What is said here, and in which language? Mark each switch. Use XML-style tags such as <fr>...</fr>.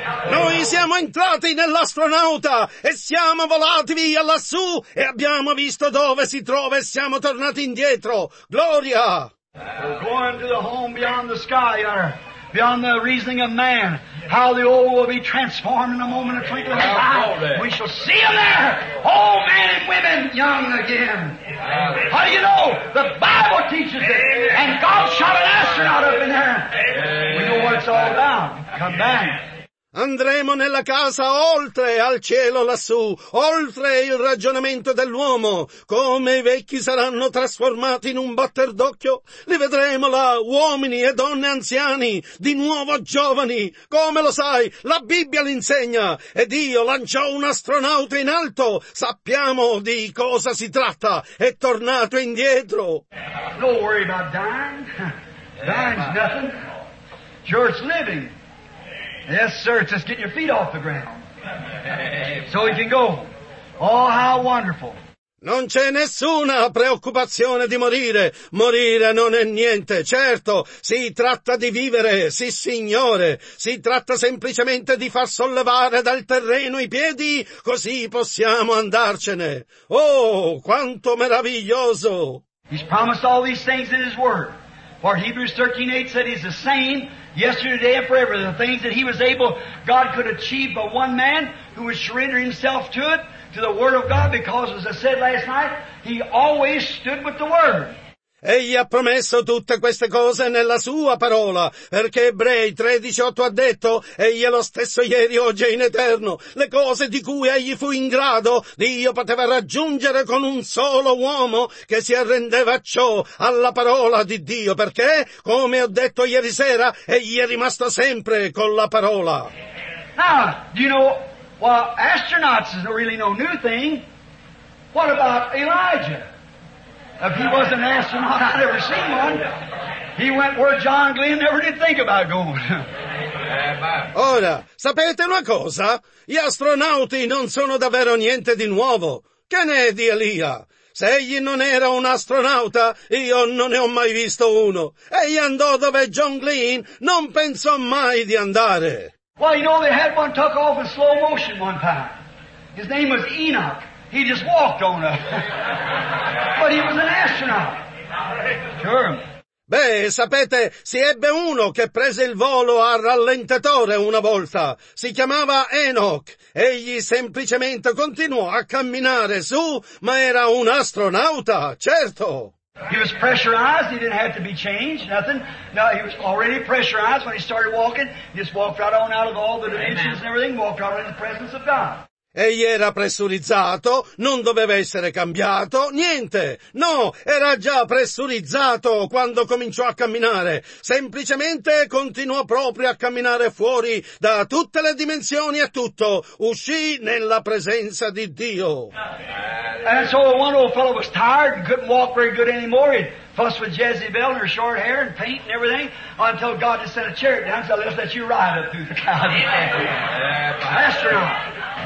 <it>Noi siamo entrati nell'astronauta e siamo volati via lassù e abbiamo visto dove si trova e siamo tornati indietro. Gloria!</it> <en>We're going to the home beyond the sky, beyond the reasoning of man. How the old will be transformed in a moment of twinkling of an eye. We shall see them there, old men and women, young again. How do you know? The Bible teaches it. And God shot an astronaut up in there. We know what it's all about. Come back.</en> <it>Andremo nella casa oltre al cielo lassù, oltre il ragionamento dell'uomo, come i vecchi saranno trasformati in un batter d'occhio, li vedremo là, uomini e donne anziani, di nuovo giovani, come lo sai, la Bibbia l'insegna, e Dio lanciò un astronauta in alto, sappiamo di cosa si tratta, è tornato indietro.</it> <en>Don't worry about dying, dying's nothing, just living. Yes, sir, it's just getting your feet off the ground. So you can go. Oh, how wonderful.</en> <it>Non c'è nessuna preoccupazione di morire. Morire non è niente. Certo, si tratta di vivere, sì signore. Si tratta semplicemente di far sollevare dal terreno i piedi, così possiamo andarcene. Oh, quanto meraviglioso.</it> <en>He's promised all these things in his word. For Hebrews 13:8 said he's the same yesterday, today, and forever. The things that he was able, God could achieve by one man who would surrender himself to it, to the Word of God, because as I said last night, he always stood with the Word.</en> <it>Egli ha promesso tutte queste cose nella sua parola, perché Ebrei 13:8 ha detto, egli è lo stesso ieri, oggi e in eterno. Le cose di cui egli fu in grado, Dio poteva raggiungere con un solo uomo che si arrendeva a ciò, alla parola di Dio, perché, come ho detto ieri sera, egli è rimasto sempre con la parola.</it> <en>Now, you know, well, astronauts is really no new thing. What about Elijah? If he was an astronaut, I'd never seen one. He went where John Glenn never did think about going.</en> <it>Ora, sapete una cosa? Gli astronauti non sono davvero niente di nuovo. Che ne è di Elia? Se egli non era un astronauta, io non ne ho mai visto uno. Egli andò dove John Glenn non pensò mai di andare.</it> <en>Well, you know, they had one took off in slow motion one time. His name was Enoch. He just walked on us. But he was an astronaut. Sure.</en> <it>Beh, sapete, si ebbe uno che prese il volo a rallentatore una volta. Si chiamava Enoch. Egli semplicemente continuò a camminare su, ma era un astronauta, certo.</it> <en>He was pressurized. He didn't have to be changed, nothing. No, he was already pressurized when he started walking. He just walked right on out of all the dimensions. Amen. And everything. Walked right in the presence of God.</en> <it>Egli era pressurizzato, non doveva essere cambiato, niente. No, era già pressurizzato quando cominciò a camminare. Semplicemente continuò proprio a camminare fuori da tutte le dimensioni e tutto. Uscì nella presenza di Dio.</it> <en>And so one old fellow was tired and couldn't walk very good anymore. He fussed with Jezebel and her short hair and paint and everything until God just sent a chariot down and said, let's let you ride up through the clouds. Astronaut.</en>